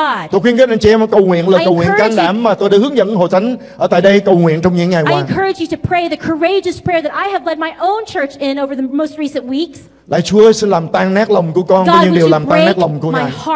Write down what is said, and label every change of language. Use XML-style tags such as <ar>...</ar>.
<vi>Tôi khuyên các anh chị em cầu nguyện là cầu nguyện can đảm mà tôi đã hướng dẫn hội thánh ở tại đây cầu nguyện trong những ngày qua.</vi> <en>I encourage you to pray the courageous prayer that I have led my own church in over the most recent weeks.</en> <vi>Lạy Chúa, xin làm tan nát lòng của con với những điều làm tan nát lòng của Ngài.</vi>